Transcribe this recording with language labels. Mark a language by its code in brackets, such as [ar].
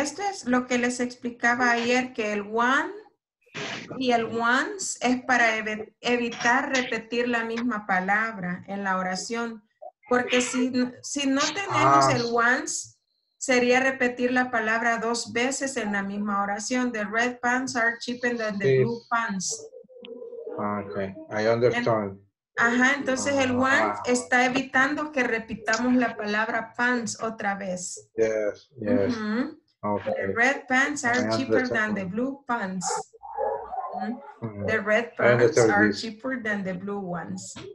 [es] Esto es lo que les explicaba ayer, que el one y el ones es para evitar repetir la misma palabra en la oración. Porque si no tenemos el once, sería repetir la palabra dos veces en la misma oración. [en] The red pants are cheaper than the blue pants. Okay, I understand. [es] Entonces el one está evitando que repitamos la palabra pants otra vez. [en] Yes, yes. Okay. The red pants are cheaper than the blue pants. The red pants are cheaper than the blue ones.